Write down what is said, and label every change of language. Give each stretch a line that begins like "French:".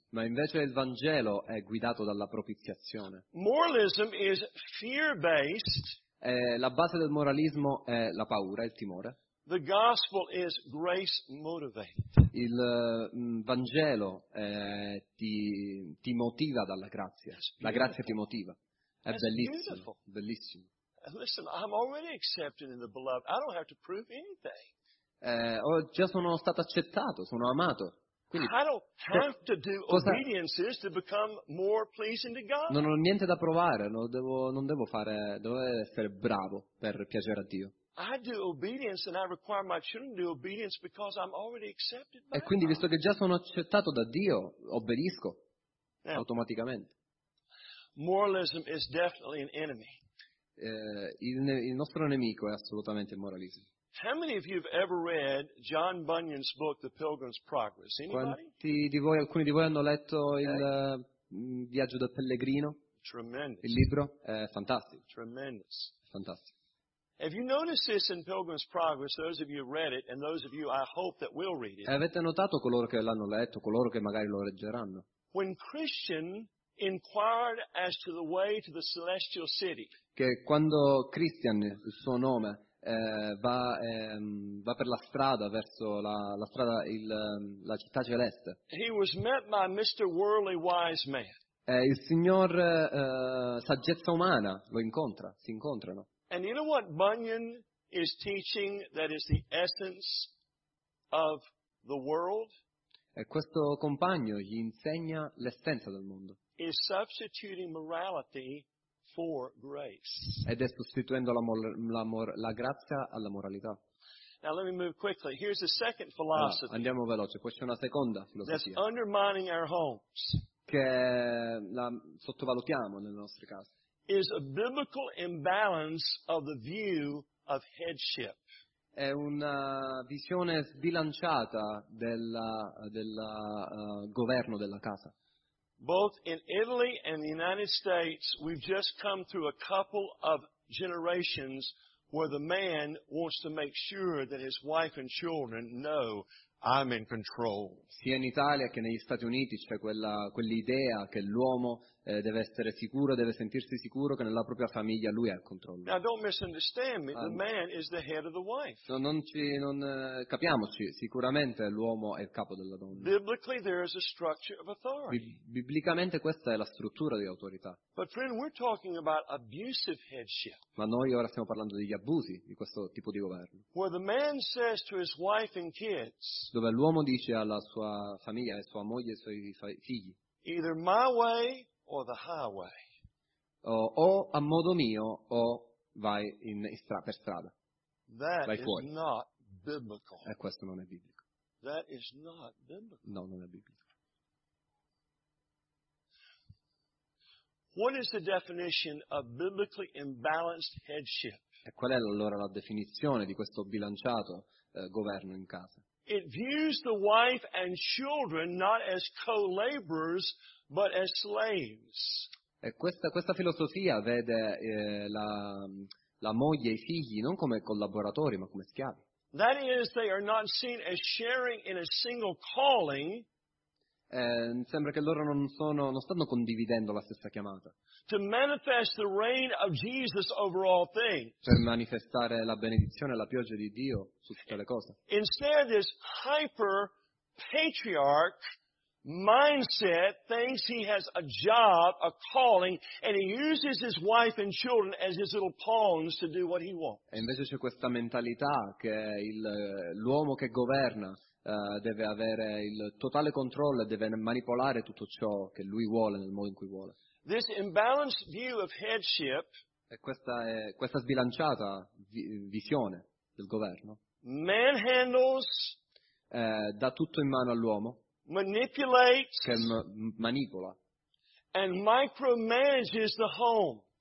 Italian: Ma invece il Vangelo è guidato dalla propiziazione.
English: Moralism is fear-based.
Italian: La base del moralismo è la paura, il timore.
English: The gospel is grace-motivated.
Italian: Il Vangelo ti motiva dalla grazia. La grazia ti motiva. È bellissimo. Bellissimo.
English: Listen, I'm already accepted in the beloved. I don't have to prove anything.
Italian: Già sono stato accettato, sono amato. Quindi,
English: I don't have to do obediences to become more pleasing to God.
Italian: Non ho niente da provare, devo essere bravo per piacere a Dio.
English: I do obedience and I require my children to do obedience because I'm already accepted by
Italian: E quindi
English: God.
Italian: Visto che già sono accettato da Dio, obbedisco now, automaticamente.
English: Moralism is definitely an enemy.
Italian: Il nostro nemico è assolutamente il moralismo.
English: How many of you have ever read John Bunyan's book, The Pilgrim's Progress? Anybody?
Italian: Quanti di voi, alcuni di voi hanno letto il Viaggio del Pellegrino?
English: Tremendous.
Italian: Il libro è fantastico.
English: Tremendous.
Italian: Fantastico.
English: Have you noticed this in Pilgrim's Progress? Those of you who read it, and those of you I hope that will read it.
Italian: Avete notato coloro che l'hanno letto, coloro che magari lo leggeranno?
English: When Christian inquired as to the way to the celestial city.
Italian: Che quando Christian, il suo nome, va per la strada verso la strada, la città celeste.
English: He was met by Mr. Worldly Wise Man.
Italian: Il signor saggezza umana lo incontra, si incontrano.
English: And you know what Bunyan is teaching that is the essence of the world?
Italian: E questo compagno gli insegna l'essenza del mondo.
English: Is substituting morality for grace.
Italian: Ed è sostituendo la grazia alla moralità.
English: Now let me move quickly. Here's the second philosophy.
Italian: Allora, andiamo veloce. Questa è una seconda filosofia.
English: That's undermining our homes.
Italian: Che la sottovalutiamo nelle nostre case.
English: Is a biblical imbalance of the view of headship.
Italian: È una visione sbilanciata del governo della casa.
English: Both in Italy and the United States, we've just come through a couple of generations where the man wants to make sure that his wife and children know I'm in control.
Italian: Sia in Italia che negli Stati Uniti c'è quell'idea che l'uomo deve essere sicuro, deve sentirsi sicuro che nella propria famiglia lui è al controllo.
English: Now don't misunderstand me. The man is the head of the wife.
Italian: Capiamoci, sicuramente l'uomo è il capo della donna.
English: Biblically there is a structure of authority.
Italian: Biblicamente questa è la struttura di autorità.
English: But friend, we're talking about abusive headship.
Italian: Ma noi ora stiamo parlando degli abusi di questo tipo di governo.
English: Where the man says to his wife and kids.
Italian: Dove l'uomo dice alla sua famiglia, alla sua moglie e ai suoi figli.
English: Either my way or the highway.
Italian: O a modo mio o vai per strada.
English: That
Italian: vai fuori.
English: Is not biblical.
Italian: E questo non è biblico.
English: That is not biblical.
Italian: No, non è biblico.
English: What is the definition of biblically imbalanced headship?
Italian: E qual è allora la definizione di questo bilanciato governo in casa?
English: It views the wife and children not as co-laborers, but as slaves.
Italian: E questa filosofia vede la moglie e i figli non come collaboratori, ma come schiavi.
English: That is, they are not seen as sharing in a single calling.
Italian: Sembra che loro non stanno condividendo la stessa chiamata.
English: To manifest the reign of Jesus over all things.
Italian: Per manifestare la benedizione e la pioggia di Dio su tutte le cose.
English: Instead, this hyper patriarch mindset thinks he has a job, a calling, and he uses his wife and children as his little pawns to do what he wants.
Italian: E invece c'è questa mentalità che l'uomo che governa deve avere il totale controllo e deve manipolare tutto ciò che lui vuole nel modo in cui vuole.
English: This imbalanced view of headship,
Italian: e questa sbilanciata visione del governo,
English: manhandles,
Italian: dà tutto in mano all'uomo,
English: manipulates,
Italian: che manipola,
English: and micromanages the home,